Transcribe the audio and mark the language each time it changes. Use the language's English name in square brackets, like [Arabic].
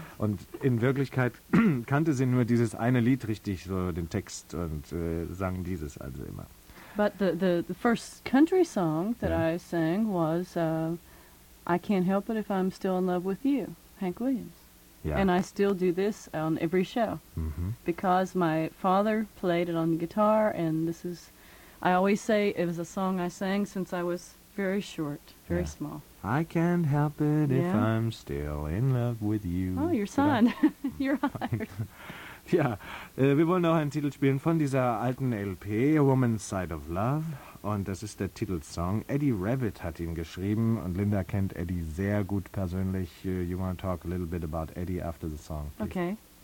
[German] Und in Wirklichkeit kannte sie nur dieses eine Lied richtig, so den Text, und sang dieses also immer. [English] But the first country song that I sang was I Can't Help It If I'm Still in Love with You, Hank Williams. Yeah. And I still do this on every show because my father played it on the guitar, and this is, I always say it was a song I sang since I was very short, very small. I can't help it if I'm still in love with you. Oh, your son. You're hired. [German] Ja, wir wollen noch einen Titel spielen von dieser alten LP, A Woman's Side of Love. Und das ist der Titelsong. Eddie Rabbit hat ihn geschrieben und Linda kennt Eddie sehr gut persönlich. [English] You want to talk a little bit about Eddie after the song, please?